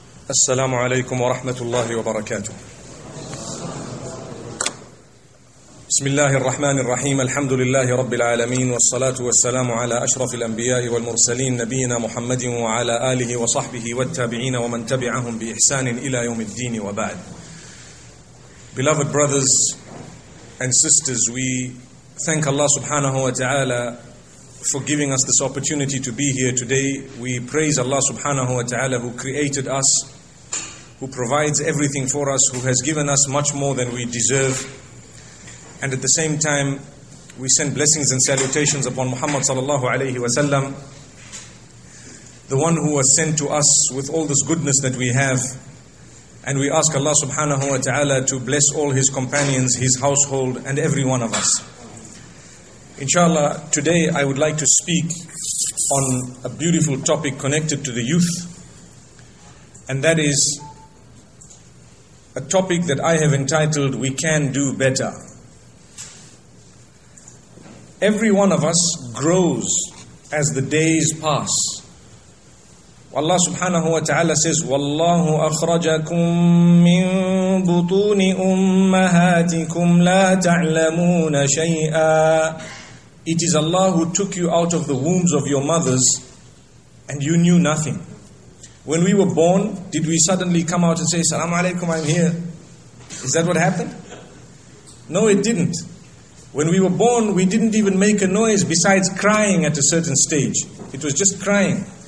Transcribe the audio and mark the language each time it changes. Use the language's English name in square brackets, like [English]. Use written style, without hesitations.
[Arabic] السلام عليكم ورحمة الله وبركاته بسم الله الرحمن الرحيم الحمد لله رب العالمين والصلاة والسلام على أشرف الأنبياء والمرسلين نبينا محمد وعلى آله وصحبه والتابعين ومن تبعهم بإحسان إلى يوم الدين وبعد. [English] Beloved brothers and sisters, we thank Allah subhanahu wa ta'ala for giving us this opportunity to be here today. We praise Allah subhanahu wa ta'ala who created us, who provides everything for us, who has given us much more than we deserve. And at the same time, we send blessings and salutations upon Muhammad sallallahu alayhi wa sallam, the one who was sent to us with all this goodness that we have. And we ask Allah subhanahu wa ta'ala to bless all his companions, his household, and every one of us. Inshallah, today I would like to speak on a beautiful topic connected to the youth, and that is a topic that I have entitled, We Can Do Better. Every one of us grows as the days pass. Allah subhanahu wa ta'ala says, [Arabic] وَاللَّهُ أَخْرَجَكُمْ مِنْ بُطُونِ أُمَّهَاتِكُمْ لَا تَعْلَمُونَ شَيْئًا. [English] It is Allah who took you out of the wombs of your mothers and you knew nothing. When we were born, did we suddenly come out and say, Assalamu alaikum, I'm here? Is that what happened? No, it didn't. When we were born, we didn't even make a noise besides crying at a certain stage. It was just crying.